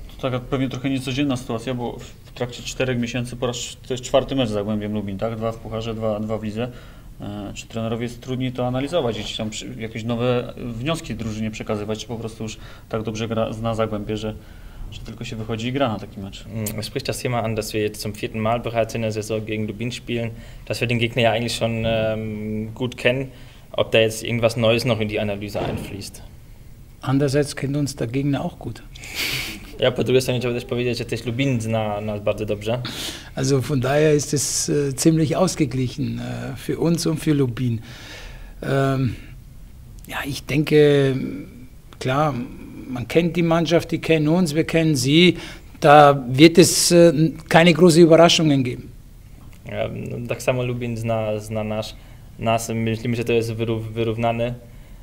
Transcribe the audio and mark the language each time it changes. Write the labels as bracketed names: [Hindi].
[Polish] To taka pewnie trochę niecodzienna sytuacja, bo w trakcie 4 miesięcy po raz, to jest 4 mecz z Zagłębiem Lubin, tak? 2 w pucharze, 2 w lidze. Czy trenerowi jest trudniej to analizować, gdzieś tam jakieś nowe wnioski drużynie przekazywać, czy po prostu już tak dobrze gra, zna Zagłębie, że tylko się wychodzi i gra na taki mecz? [German] Man spricht das Thema an, dass wir jetzt zum vierten Mal bereits in der Saison gegen Lubin spielen, dass wir den Gegner ja eigentlich schon gut kennen. Ob da jetzt irgendwas Neues noch in die Analyse einfließt. Andererseits kennt uns der Gegner auch gut. [Polish] Ja, po drugiej stronie trzeba też powiedzieć, że też Lubin zna nas bardzo dobrze. [German] Also von daher ist es ziemlich ausgeglichen für uns und für Lubin. Ja, ich denke, klar, man kennt die Mannschaft, die kennen uns, wir kennen sie. Da wird es keine großen Überraschungen geben. [Polish] Ja, tak samo Lubin zna nas, myślimy, że to jest wyrównane.